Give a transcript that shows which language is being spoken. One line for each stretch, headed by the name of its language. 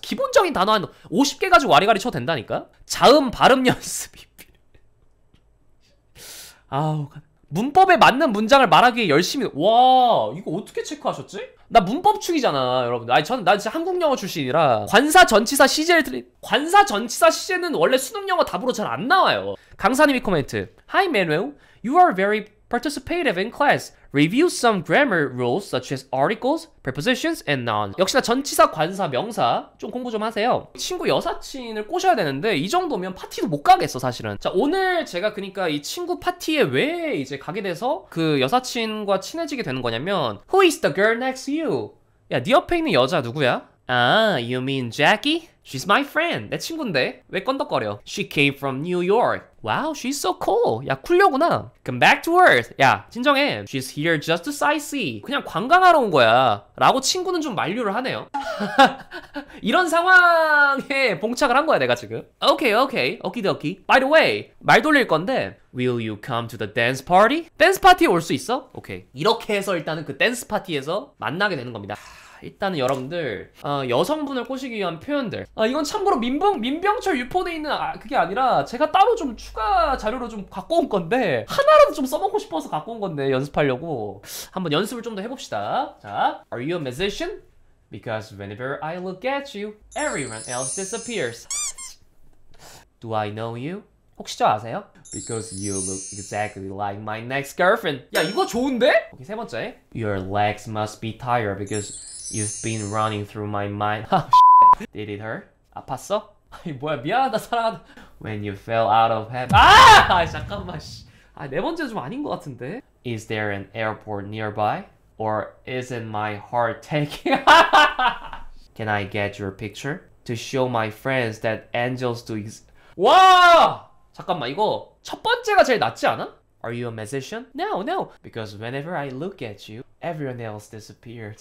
Korean: 기본적인 단어 한 50개 가지고 와리가리 쳐도 된다니까. 자음 발음 연습이 아우 문법에 맞는 문장을 말하기에 열심히 와 이거 어떻게 체크하셨지? 나 문법 축이잖아 여러분들. 아니 저는 나 진짜 한국 영어 출신이라 관사 전치사 시제를 틀린 관사 전치사 시제는 원래 수능 영어 답으로 잘 안 나와요. 강사님이 코멘트
English: Hi Manuel, you are very participative in class. Review some grammar rules such as articles, prepositions, and nouns.
Korean: 역시나 전치사, 관사, 명사 좀 공부 좀 하세요. 친구 여사친을 꼬셔야 되는데 이 정도면 파티도 못 가겠어 사실은. 자 오늘 제가 그러니까 이 친구 파티에 왜 이제 가게 돼서 그 여사친과 친해지게 되는 거냐면
English: Who is the girl next to you?
Korean: 야 네 옆에 있는 여자 누구야?
English: 아, you mean Jackie? She's my friend.
Korean: 내 친구인데 왜 껀덕거려?
English: She came from New York. Wow, she's so cool.
Korean: 야, 쿨려구나.
English: Come back to Earth.
Korean: 야, 진정해.
English: She's here just to sightsee.
Korean: 그냥 관광하러 온 거야. 라고 친구는 좀 만류를 하네요. 이런 상황에 봉착을 한 거야, 내가 지금.
English: Okay, okay. 오키도키. By the way,
Korean: 말 돌릴 건데
English: Will you come to the dance party?
Korean: 댄스 파티에 올 수 있어? Okay. 이렇게 해서 일단은 그 댄스 파티에서 만나게 되는 겁니다. 일단은 여러분들 여성분을 꼬시기 위한 표현들 이건 참고로 민병철 유폰에 있는 그게 아니라 제가 따로 좀 추가 자료로 좀 갖고 온 건데 하나라도 좀 써먹고 싶어서 갖고 온 건데 연습하려고 한번 연습을 좀 더 해봅시다.
English: 자, Are you a musician? Because whenever I look at you, everyone else disappears. Do I know you?
Korean: 혹시 저 아세요?
English: Because you look exactly like my next girlfriend.
Korean: 야 이거 좋은데? 오케이 세 번째
English: Your legs must be tired because You've been running through my mind. Did it hurt?
Korean: 아팠어? 아니 뭐야 미안하다 사랑하다.
English: When you fell out of heaven. 아!
Korean: 아 잠깐만 씨. 아 네 번째 좀 아닌 것 같은데.
English: Is there an airport nearby? Or isn't my heart taking? Can I get your picture to show my friends that angels do exist?
Korean: 와! 잠깐만 이거 첫 번째가 제일 낫지 않아?
English: Are you a musician? No, no. Because whenever I look at you, everyone else disappears.